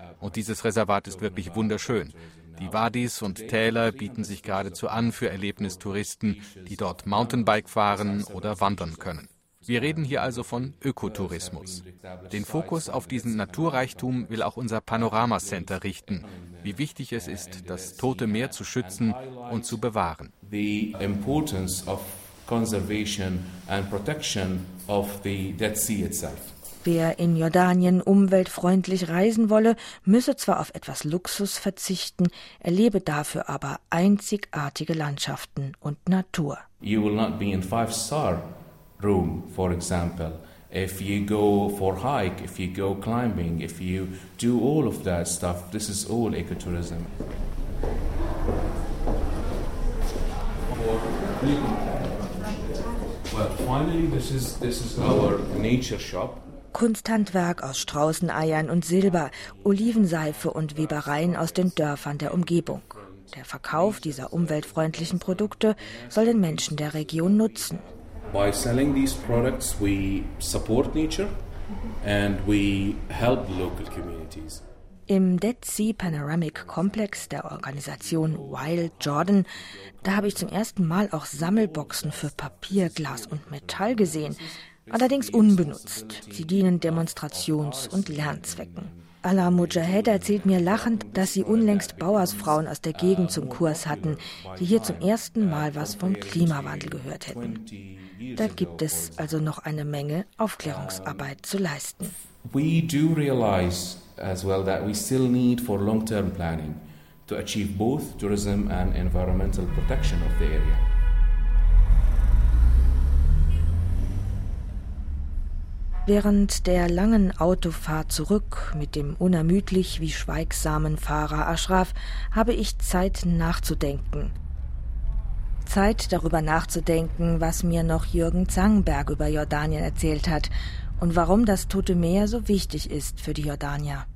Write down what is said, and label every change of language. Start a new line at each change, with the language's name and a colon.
German: Und dieses Reservat ist wirklich wunderschön. Die Wadis und Täler bieten sich geradezu an für Erlebnistouristen, die dort Mountainbike fahren oder wandern können. Wir reden hier also von Ökotourismus. Den Fokus auf diesen Naturreichtum will auch unser Panorama Center richten, wie wichtig es ist, das Tote Meer zu schützen und zu bewahren.
English: The importance of conservation and protection of the Dead Sea itself.
German: Wer in Jordanien umweltfreundlich reisen wolle, müsse zwar auf etwas Luxus verzichten, erlebe dafür aber einzigartige Landschaften und Natur.
English: You will not be in five-star room, for example. If you go for hike, if you go climbing, if you do all of that stuff, this is all ecotourism. Well, finally, this is our nature shop.
German: Kunsthandwerk aus Straußeneiern und Silber, Olivenseife und Webereien aus den Dörfern der Umgebung. Der Verkauf dieser umweltfreundlichen Produkte soll den Menschen der Region nutzen.
English: By selling these products, we support nature and we help local communities.
German: Im Dead Sea Panoramic Complex der Organisation Wild Jordan, da habe ich zum ersten Mal auch Sammelboxen für Papier, Glas und Metall gesehen, allerdings unbenutzt. Sie dienen Demonstrations- und Lernzwecken. Ala Mujahed erzählt mir lachend, dass sie unlängst Bauersfrauen aus der Gegend zum Kurs hatten, die hier zum ersten Mal was vom Klimawandel gehört hätten. Da gibt es also noch eine Menge Aufklärungsarbeit zu leisten.
English: We do realize as well that we still need for long-term planning to achieve both tourism and environmental protection of the area.
German: Während der langen Autofahrt zurück mit dem unermüdlich wie schweigsamen Fahrer Ashraf, habe ich Zeit nachzudenken. Zeit darüber nachzudenken, was mir noch Jürgen Zangenberg über Jordanien erzählt hat und warum das Tote Meer so wichtig ist für die Jordanier.